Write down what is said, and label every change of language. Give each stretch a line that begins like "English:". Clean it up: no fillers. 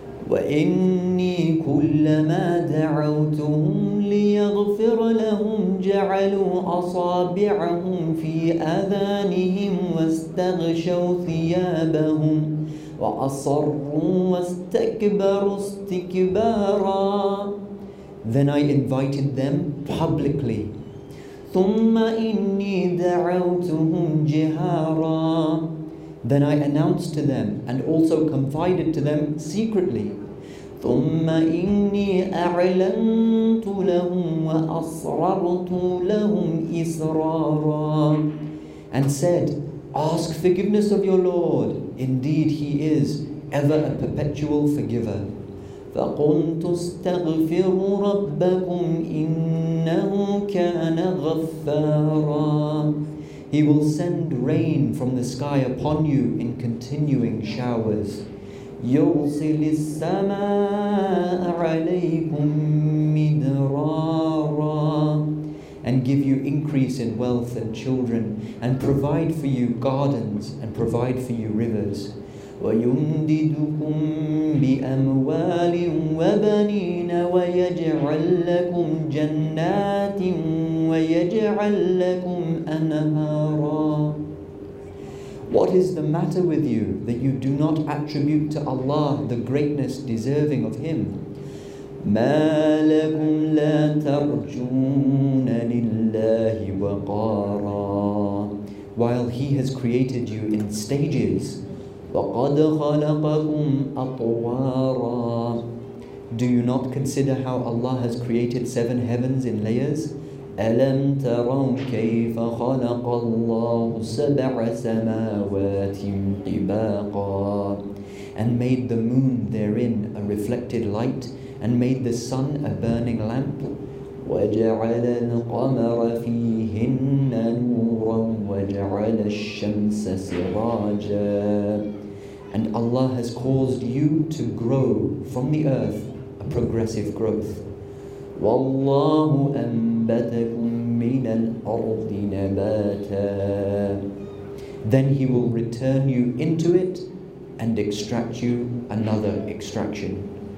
Arabic: وَإِنِّي كُلَّمَا دَعَوْتُهُمْ لِيَغْفِرَ لَهُمْ جَعَلُوا أَصَابِعَهُمْ فِي آذَانِهِمْ وَاسْتَغْشَوْا ثِيَابَهُمْ وَأَصَرُّوا وَاسْتَكْبَرُوا اسْتِكْبَارًا.
English: Then I invited them publicly.
Arabic: ثُمَّ إِنِّي دَعَوْتُهُمْ جِهَارًا.
English: Then I announced to them and also confided to them secretly.
Arabic: ثم إني أعلنت لهم وأسررت لهم إسرارا.
English: And said, ask forgiveness of your Lord. Indeed, He is ever a perpetual forgiver.
Arabic: فقلت استغفروا ربكم إنه كان غفارا.
English: He will send rain from the sky upon you in continuing showers.
Arabic: يرسل السماء عليكم مدرارا.
English: And give you increase in wealth and children, and provide for you gardens, and provide for you rivers.
Arabic: ويمددكم بأموال وبنين ويجعل لكم جنات ويجعل لكم أنهارا.
English: What is the matter with you that you do not attribute to Allah the greatness deserving of Him?
Arabic: ما لكم لا ترجون لله وقارا.
English: While He has created you in stages.
Arabic: وقد خلقكم أطوارا.
English: Do you not consider how Allah has created seven heavens in layers?
Arabic: ألم تروا كيف خلق الله سبع سماوات طباقا.
English: And made the moon therein a reflected light, and made the sun a burning lamp.
Arabic: وجعل القمر فيهن نورا وجعل الشمس سراجا.
English: And Allah has caused you to grow from the earth, a progressive growth.
Arabic: وَاللَّهُ أَنْبَتَكُمْ مِنَ الْأَرْضِ نَبَاتًا.
English: Then He will return you into it and extract you another extraction.